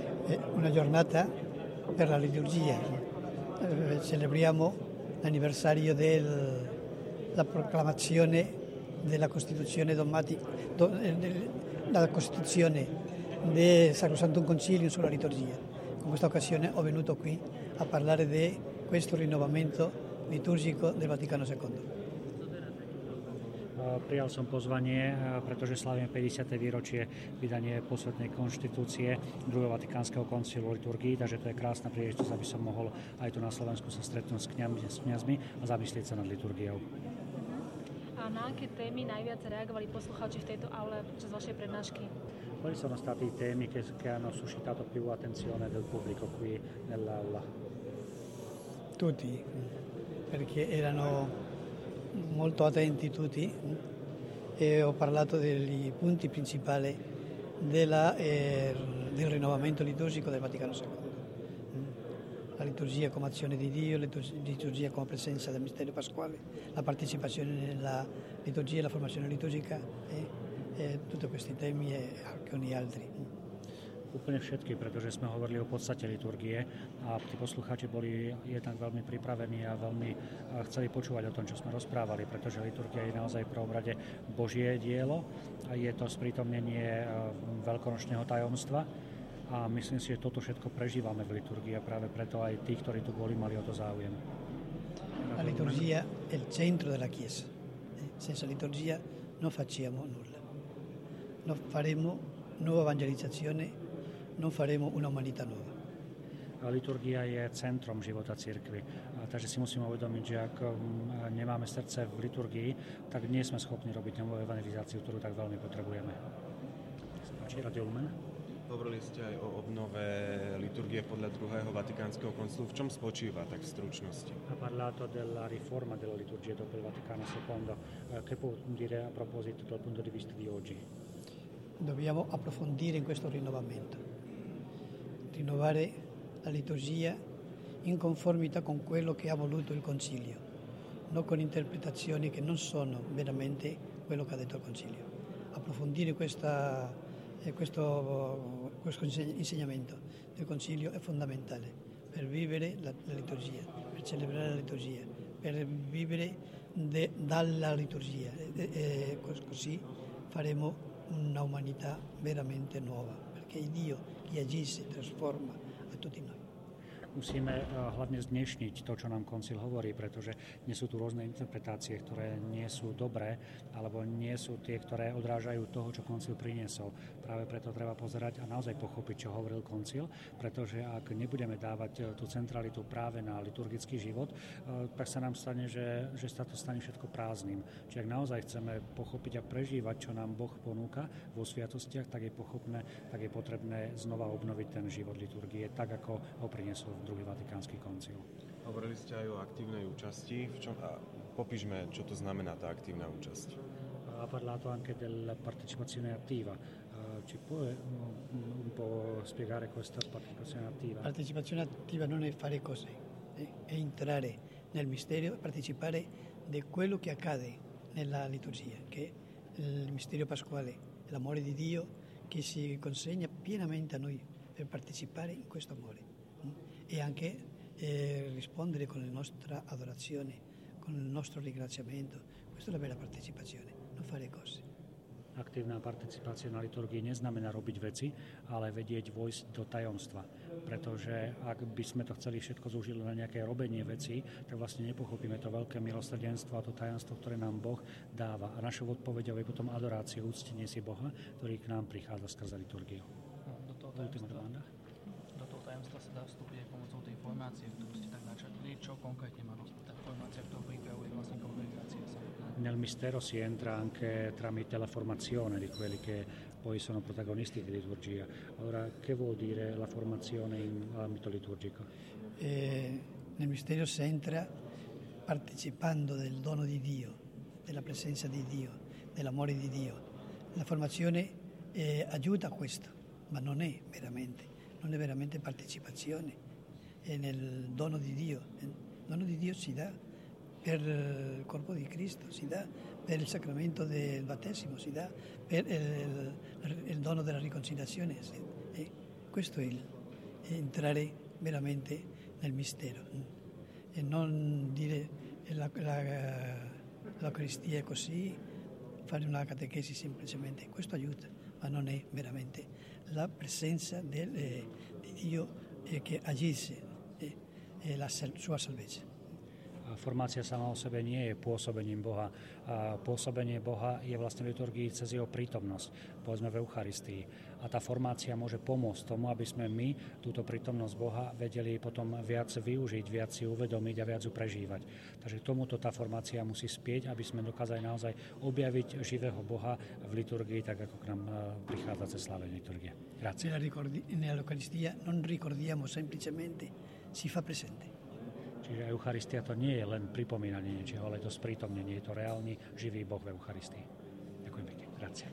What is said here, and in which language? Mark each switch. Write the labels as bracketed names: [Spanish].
[Italian] È una giornata per la liturgia. Celebriamo l'anniversario della proclamazione della Costituzione del Sacrosanto Concilio sulla liturgia. In questa occasione ho venuto qui a parlare di questo rinnovamento liturgico del Vaticano II. [Slovak] Prijal som pozvanie, pretože slávime 50. výročie vydanie poslednej konštitúcie druhého Vatikánskeho koncilu liturgii, takže to je krásna príležitosť, aby som mohol aj tu na Slovensku sa stretnúť s kňazmi a zamyslieť sa nad liturgiou. A na aké témy najviac reagovali poslucháči v tejto aule počas vašej prednášky? [Italian] Quali sono stati i temi che hanno suscitato più attenzione del pubblico qui nell'aula? Tutti, perché erano molto attenti tutti, e ho parlato dei punti principali del rinnovamento liturgico del Vaticano II. La liturgia come azione di Dio, la liturgia come presenza del mistero pasquale, la partecipazione nella liturgia e la formazione liturgica, e tutti questi temi e alcuni altri. [Slovak] Úplne všetky, pretože sme hovorili o podstate liturgie a tí poslucháči boli jednak veľmi pripravení a veľmi chceli počúvať o tom, čo sme rozprávali, pretože liturgia je naozaj v prvom rade Božie dielo a je to sprítomnenie veľkonočného tajomstva a myslím si, že toto všetko prežívame v liturgii a práve preto aj tí, ktorí tu boli, mali o to záujem. A liturgia je [Italian] il centro della chiesa. Senza liturgia non facciamo nulla. Non faremo nuova evangelizzazione. Non faremo una umanità nuova. [Slovak] A liturgia je centrom života cirkvi. A takže si musíme uvedomiť, že ak nemáme srdce v liturgii, tak nie sme schopní robiť novú evangelizáciu, ktorú tak veľmi potrebujeme. Spáči, Radio Lumen. Hovorili ste aj o obnove liturgie podľa druhého Vatikánskeho koncilu. V čom spočíva tak v stručnosti? [Italian] Ha parlato della riforma della liturgia dopo il Vaticano II. Che può dire a proposito dal punto di vista di oggi? Dobbiamo approfondire in questo rinnovamento, rinnovare la liturgia in conformità con quello che ha voluto il Concilio, non con interpretazioni che non sono veramente quello che ha detto il Concilio. Approfondire questo insegnamento del Concilio è fondamentale per vivere la liturgia, per celebrare la liturgia, per vivere dalla liturgia. Così faremo una umanità veramente nuova, perché Dio che agisce trasforma a tutti noi. [Slovak] Musíme hlavne zdnešniť to, čo nám koncil hovorí, pretože nie sú tu rôzne interpretácie, ktoré nie sú dobré, alebo nie sú tie, ktoré odrážajú toho, čo koncil priniesol. Práve preto treba pozerať a naozaj pochopiť, čo hovoril koncil, pretože ak nebudeme dávať tú centralitu práve na liturgický život, tak sa nám stane, že sa to stane všetko prázdnym. Čiže ak naozaj chceme pochopiť a prežívať, čo nám Boh ponúka vo sviatostiach, tak je potrebné znova obnoviť ten život liturgie, tak ako ho priniesol druhý Vatikánsky koncil. Hovorili ste aj o aktívnej účasti. Popíšme, čo to znamená tá aktívna účasť. [Italian] Ha parlato anche della partecipazione attiva. Ci puoi un po' spiegare questa partecipazione attiva? Partecipazione attiva non è fare cose, è entrare nel mistero e partecipare di quello che accade nella liturgia, che è il mistero pasquale, l'amore di Dio che si consegna pienamente a noi per partecipare in questo amore. E anche rispondere con la nostra adorazione, con il nostro ringraziamento. Questa è la vera partecipazione, non fare cose. [Slovak] Aktívna participácia na liturgii neznamená robiť veci, ale vedieť vojsť do tajomstva. Pretože ak by sme to chceli všetko zúžiť na nejaké robenie veci, tak vlastne nepochopíme to veľké milosrdenstvo a to tajomstvo, ktoré nám Boh dáva. A našou odpoveďou je potom adorácia, úctenie si Boha, ktorý k nám prichádza skrze liturgiu. Tajomstva sa dá vstúpiť aj pomocou tej formácie, ktorú ste tak načrtli. Čo konkrétne má rozprávať? Tá formácia, ktorú pripravuje vlastne kongregácia sa. [Italian] Nel mistero si entra anche tramite la formazione di quelli che poi sono protagonisti di liturgia. Allora, che vuol dire la formazione in ambito liturgico? Nel mistero si entra partecipando del dono di Dio, della presenza di Dio, dell'amore di Dio. La formazione aiuta a questo, ma non è veramente. Non è veramente partecipazione, è nel dono di Dio. Il dono di Dio si dà per il corpo di Cristo, si dà per il sacramento del battesimo, si dà per il dono della riconciliazione. Questo è entrare veramente nel mistero e non dire l'Eucaristia è così, fare una catechesi semplicemente. Questo aiuta, ma non è veramente la presenza di Dio che agisce e la sua salvezza. [Slovak] Formácia sama o sebe nie je pôsobením Boha. A pôsobenie Boha je vlastne v liturgii cez jeho prítomnosť, povedzme v Eucharistii. A tá formácia môže pomôcť tomu, aby sme my túto prítomnosť Boha vedeli potom viac využiť, viac si uvedomiť a viac ju prežívať. Takže k tomuto tá formácia musí spieť, aby sme dokázali naozaj objaviť živého Boha v liturgii, tak ako k nám prichádza cez slávenie liturgie. [Italian] Grazie. Nella Eucharistia non ricordiamo semplicemente, si fa presente. [Slovak] Čiže Eucharistia to nie je len pripomínanie niečoho, ale to sprítomnenie, je to reálny, živý Boh v Eucharistii. Ďakujem pekne. [Italian] Grazie.